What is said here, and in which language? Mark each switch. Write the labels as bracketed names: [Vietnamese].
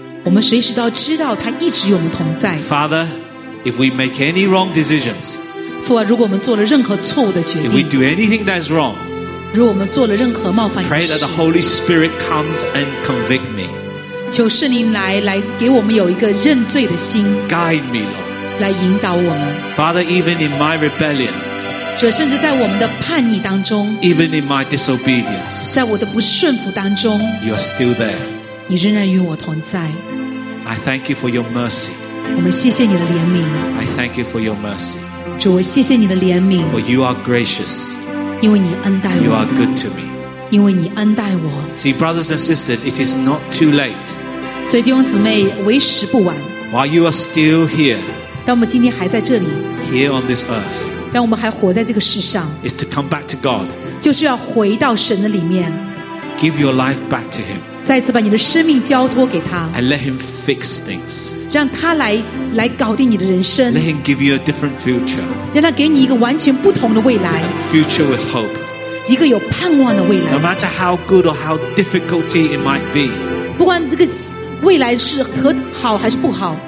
[Chinese] 我们随时都知道他一直与我们同在。 [English] Father, if we make any wrong decisions, [Chinese] 父啊，如果我们做了任何错误的决定， [English] if we do anything that's wrong, [Chinese] 如果我们做了任何冒犯的事， [English] pray that the Holy Spirit comes and convict me. [Chinese] 求圣灵来给我们有一个认罪的心。 [English] Guide me, Lord. [Chinese] 来引导我们。 [English] Father, even in my rebellion. [Chinese] 主，甚至在我们的叛逆当中 [English] ，Even in my disobedience， [Chinese] 在我的不顺服当中 [English] ，You are still there， [Chinese] 你仍然与我同在。 [English] I thank you for your mercy， [Chinese] 我们谢谢你的怜悯。 [English] I thank you for your mercy. [Chinese] 主，我谢谢你的怜悯。 [English] For you are gracious. [Chinese] 因为你恩待我。 [English] You are good to me. [Chinese] 因为你恩待我。 [English] See, brothers and sisters, it is not too late. [Chinese] 所以弟兄姊妹，为时不晚。 [English] While you are still here. [Chinese] 当我们今天还在这里。 [English] Here on this earth. [Chinese] 让我们还活在这个世上 [English] is to come back to God. [Chinese] 就是要回到神的里面 [English] Give your life back to him. [Chinese] 再次把你的生命交托给他 [English] And let him fix things. [Chinese] 让他来搞定你的人生 [English] Let him give you a different future. [Chinese] 让他给你一个完全不同的未来 [English] A future with hope. [Chinese] 一个有盼望的未来 [English] No matter how good or how difficult it might be. [Chinese] 不管这个未来是好还是不好